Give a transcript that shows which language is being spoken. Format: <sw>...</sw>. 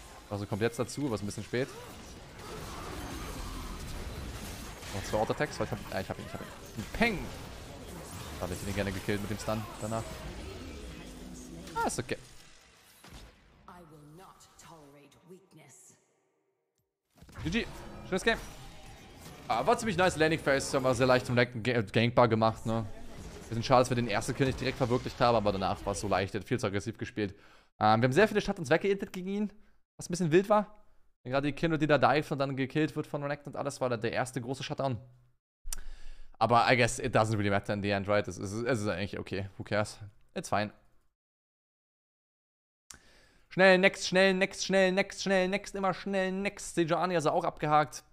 <de>Also kommt jetzt dazu, aber ist ein bisschen spät. Noch zwei Auto-Attacks, weil ich hab. Ich hab ihn, ich hab ihn. Peng! Da hätte ich ihn gerne gekillt mit dem Stun danach. Ah, ist okay.</de> <en>I will not tolerate weakness.</en> <de>GG! Schönes Game! Ah, war ziemlich nice Landing Phase, aber sehr leicht zum Gangbar gemacht, ne? Bisschen schade, dass wir den ersten Kill nicht direkt verwirklicht haben, aber danach war es so leicht, er hat viel zu aggressiv gespielt. Wir haben sehr viele Shuttles weggeintet gegen ihn, was ein bisschen wild war. Gerade die Kindred, die da dived und dann gekillt wird von Renekton und alles, war da der erste große Shutdown. Aber</de> <en>I guess it doesn't really matter in the end, right?</en> <de>Es ist eigentlich okay,</de> <en>who cares? It's fine.</en> <de>Schnell, next, immer schnell, next. Sejuani ist auch abgehakt.</de>